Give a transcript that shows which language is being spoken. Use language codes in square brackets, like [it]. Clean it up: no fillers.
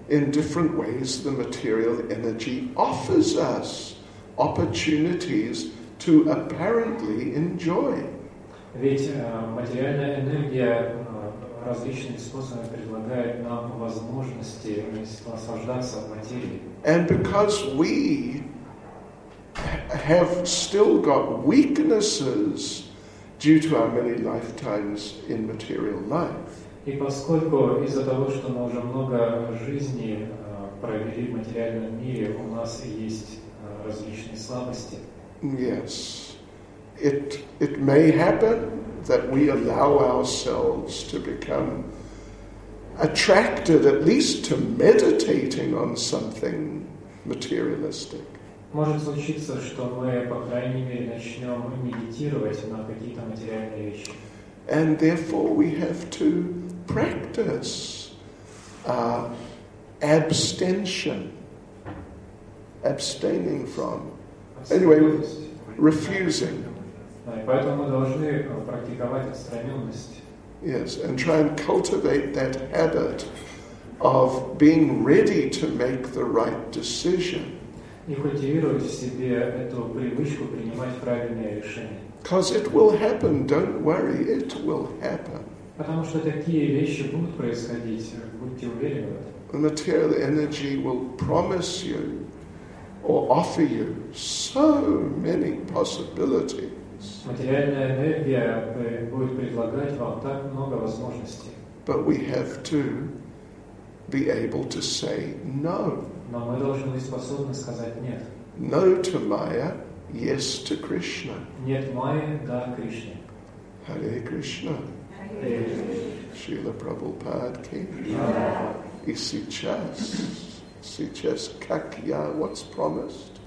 [en] In different ways, the material energy offers us opportunities to apparently enjoy. [ru] Ведь материальная энергия различными способами предлагает нам возможности наслаждаться материей. [en] And because we have still got weaknesses due to our many lifetimes in material life. [ru] И поскольку из-за того, что мы уже много жизней проявили в материальном мире, у нас есть различные слабости. [en] Yes. It may happen that we allow ourselves to become attracted at least to meditating on something materialistic. [ru] Может случиться, что мы, по крайней мере, начнем медитировать на какие-то материальные вещи. [en] And therefore we have to practice abstention, abstaining from, anyway, refusing. [ru] Поэтому мы должны практиковать отстраненность. [en] Yes, and try and cultivate that habit of being ready to make the right decision. [ru] И культивировать в себе эту привычку принимать правильные решения. [en] Because it will happen, don't worry, it will happen. [ru] Потому что такие вещи будут происходить, будьте уверены в этом. [en] The material energy will promise you or offer you so many possibilities. [ru] Материальная энергия будет предлагать вам так много возможностей. [en] But we have to be able to say no. [ru] Но мы должны быть способны сказать нет. [en] No to Maya. Yes to Krishna. [ru] Нет Майи, да Кришне. [sa] Hare Krishna. Hare Krishna. Srila Prabhupada ki. [en] Yeah. [ru] И сейчас. Сейчас как я, [en] what's promised?